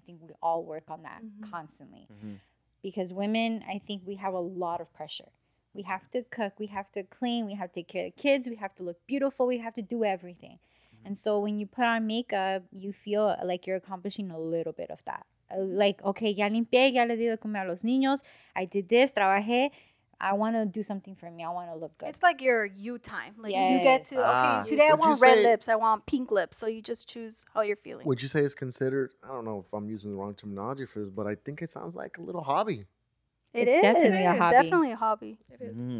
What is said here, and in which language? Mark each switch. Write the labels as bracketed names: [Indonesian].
[English] I think we all work on that constantly. Mm-hmm. Because women, I think we have a lot of pressure. We have to cook. We have to clean. We have to take care of the kids. We have to look beautiful. We have to do everything. Mm-hmm. And so when you put on makeup, you feel like you're accomplishing a little bit of that. Like, okay, [Spanish] ya limpié, ya le di de comer a los niños. [English] I did this, trabajé. I want to do something for me. I want to look good. It's like your you time. Like you get to, okay, today I want red lips. I want pink lips. So you just choose how you're feeling. Would you say it's considered, I don't know if I'm using the wrong terminology for this, but I think it sounds like a little hobby. It's definitely a hobby. It is.